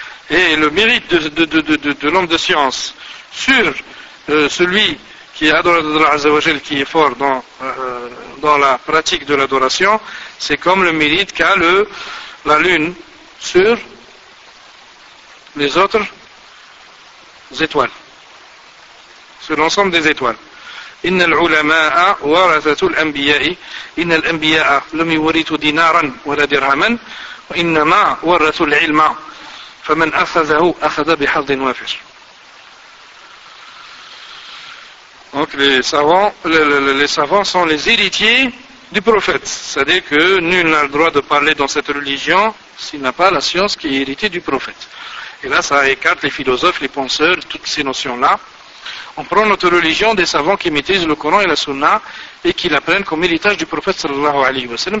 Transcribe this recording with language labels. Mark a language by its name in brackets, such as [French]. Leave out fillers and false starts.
[French] Et le mérite de l'homme de science sur celui qui est adorateur d'Allah Azza wa Jal, qui est fort dans la pratique de l'adoration, c'est comme le mérite qu'a la lune sur les autres étoiles, sur l'ensemble des étoiles. [Arabic] إن العلماء ورثة الأنبياء إن الأنبياء لم يورثوا دينارا ولا درهما وإنما ورثوا العلم فمن أخذه أخذ بحظ وافر. [French] Donc les savants sont les héritiers du prophète, c'est-à-dire que nul n'a le droit de parler dans cette religion s'il n'a pas la science qui est héritée du prophète. Et là ça écarte les philosophes, les penseurs, toutes ces notions-là. On prend notre religion des savants qui maîtrisent le Coran et la Sunna et qui la prennent comme héritage du prophète sallallahu alayhi wa sallam.